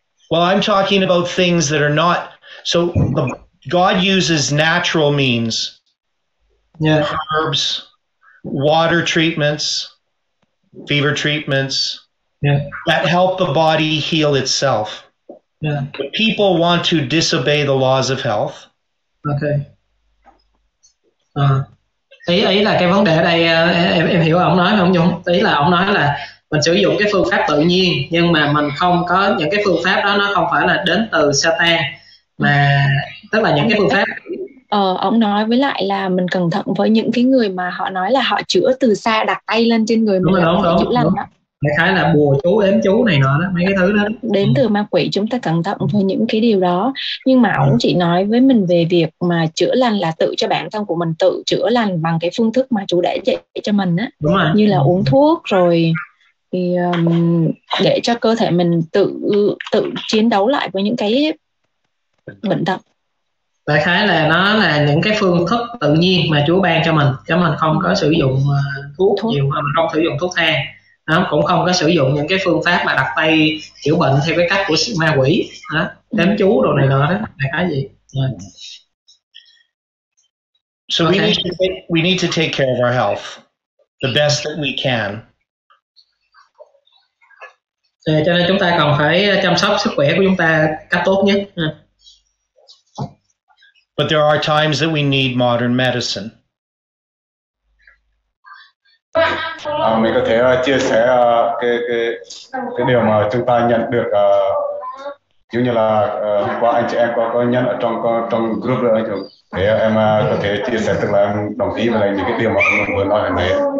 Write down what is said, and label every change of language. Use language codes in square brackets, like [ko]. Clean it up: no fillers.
[en] Well, I'm talking about things that are not, so God uses natural means, yeah, herbs, water treatments, fever treatments, yeah, that help the body heal itself. Yeah. But people want to disobey the laws of health. Okay. [vi] Ý là cái vấn đề ở đây em hiểu ông nói không Dung? Ý là ông nói là mình sử dụng cái phương pháp tự nhiên nhưng mà mình không có những cái phương pháp đó nó không phải là đến từ Satan mà tức là những cái phương pháp. Ông nói với lại là mình cẩn thận với những cái người mà họ nói là họ chữa từ xa đặt tay lên trên người mình. Đúng. Cái khái là bùa chú, ếm chú này nọ đó, mấy cái thứ đó. Đến từ ma quỷ, chúng ta cẩn thận với những cái điều đó. Nhưng mà ông chỉ nói với mình về việc mà chữa lành là tự cho bản thân của mình tự chữa lành bằng cái phương thức mà chú đã dạy cho mình á. Đúng rồi. Như là uống thuốc rồi thì để cho cơ thể mình tự chiến đấu lại với những cái bệnh tật. Đại khái là nó là những cái phương thức tự nhiên mà chú ban cho mình. Chứ mình không có sử dụng thuốc nhiều, mà mình không sử dụng thuốc thang. Đó, cũng không có sử dụng những cái phương pháp mà đặt tay chữa bệnh theo cái cách của ma quỷ hả, đếm chú đồ này nọ đó là cái gì. [en] So okay. we need to take care of our health the best that we can. [vi] Thì cho nên chúng ta cần phải chăm sóc sức khỏe của chúng ta cách tốt nhất. [en] But there are times that we need modern medicine. [vi] À, mình có thể chia sẻ cái điều mà chúng ta nhận được giống như là hôm qua anh chị em có nhận ở trong group rồi anh chồng để em có thể chia sẻ, tức là em đồng ý với lại những cái điều mà mình vừa nói hôm nay.